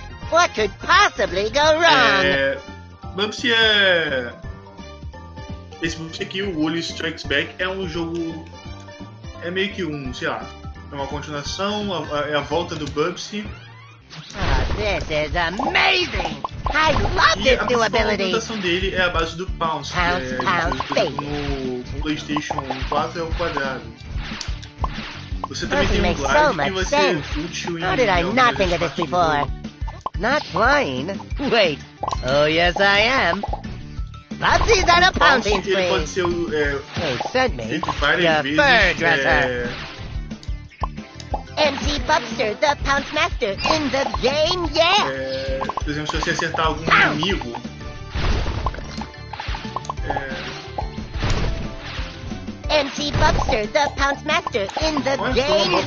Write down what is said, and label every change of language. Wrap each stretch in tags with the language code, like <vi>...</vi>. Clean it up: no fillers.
<en>What could possibly go wrong?</en> <pt>Bumpsy é... Esse Bumpsy aqui, o Wooly Strikes Back, é um jogo... É meio que um, sei lá, é uma continuação, é a volta do Bumpsy.</pt> <en>This is amazing! I love</en> <pt>e</pt> <en>this new ability!</en> <pt>A rotação dele é a base do Pounce, no PlayStation 4 é o quadrado. Você também tem um glide que vai ser útil em...</pt> <en>How did I not think of this before? Not flying? Wait. Oh, yes, I am. Bumpsy, is that a pouncing screen?</en> <pt>Ele pode ser o...</pt> <en>Hey, send me. The fur dresser. MC Bumpster, the Pounce Master, in the game, yeah!</en> <pt>Por exemplo, se você acertar algum inimigo...</pt> <en>MC Bumpster, the Pounce Master, in the game, yeah!</en>